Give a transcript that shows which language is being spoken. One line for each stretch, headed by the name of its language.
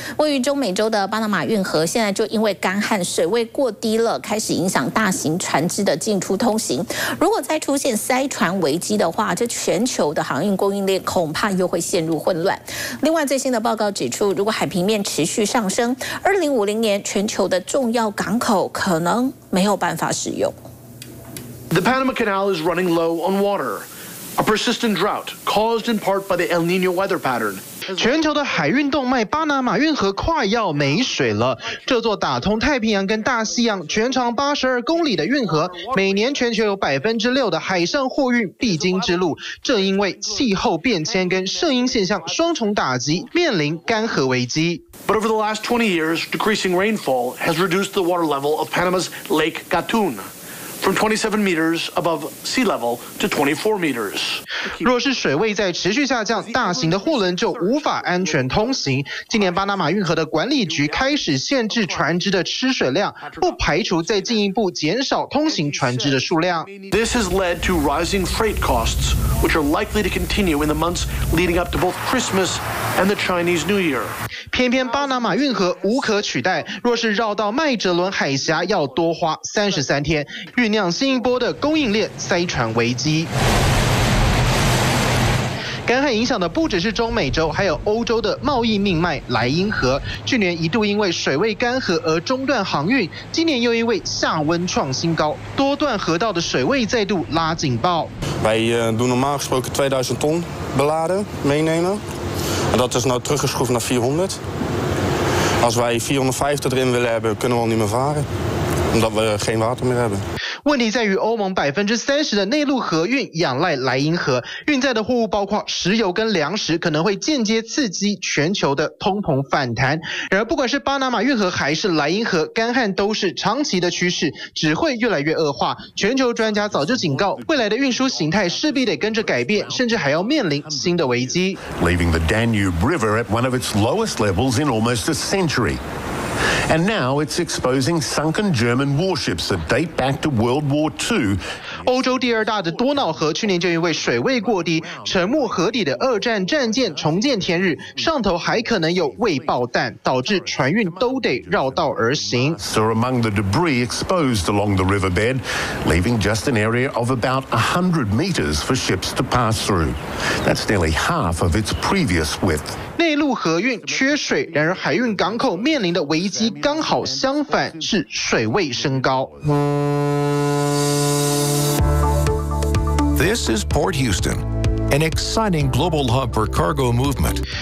Chinese: 位于中美洲的巴拿马运河现在就因为干旱水位过低了，开始影响大型船只的进出通行。如果再出现塞船危机的话，这全球的航运供应链恐怕又会陷入混乱。另外最新的报告指出，如果海平面持续上升，2050年全球的重要港口可能没有办法使用。
English: The Panama Canal is running low on water. A persistent drought caused in part by the El Nino weather pattern.
Chinese: 全球的海运动脉巴拿马运河快要没水了。这座打通太平洋跟大西洋、全长82公里的运河，每年全球有6%的海上货运必经之路。正因为气候变迁跟圣婴现象双重打击，面临干涸危机。
English: But over the last 20 years, decreasing rainfall has reduced the water level of Panama's Lake Gatun. From 27 meters above sea level to 24 meters.
Chinese: 若是水位在持续下降，大型的货轮就无法安全通行。今年巴拿马运河的管理局开始限制船只的吃水量，不排除再进一步减少通行船只的数量。
English: This has led to rising freight costs, which are likely to continue in the months leading up to both Christmas and the Chinese New Year.
Chinese: 偏偏巴拿马运河无可取代，若是绕到麦哲伦海峡，要多花33天。酝酿新一波的供应链塞船危机。干旱影响的不只是中美洲，还有欧洲的贸易命脉莱茵河。去年一度因为水位干涸而中断航运，今年又因为下温创新高，多段河道的水位再度拉警报。
Dutch: Wij doen normaal gesproken 2000 ton beladen meenemen, en dat is nu teruggeschroefd naar 400. Als wij 450 erin willen hebben, kunnen we al niet meer varen. Omdat we geen water meer hebben.
Chinese: 问题在于欧盟30%的内陆河运仰赖莱茵河，运载的货物包括石油跟粮食，可能会间接刺激全球的通膨反弹。而不管是巴拿马运河还是莱茵河，干旱都是长期的趋势，只会越来越恶化。全球专家早就警告，未来的运输形态势必得跟着改变，甚至还要面临新的危机。
English: Leaving the Danube River at one of its lowest levels in almost a century. And now it's exposing sunken German warships that date back to World War II.
Chinese: 欧洲第二大的多瑙河去年就因为水位过低，沉没河底的二战战舰重见天日，上头还可能有未爆弹，导致船运都得绕道而行。
English: So among the debris exposed along the riverbed, leaving just an area of about 100 meters for ships to pass through. That's nearly half of its previous width.
Chinese: 内陆河运缺水，然而海运港口面临的危机刚好相反，是水位升高。
English: This is Port Houston. An exciting global hub for cargo movement.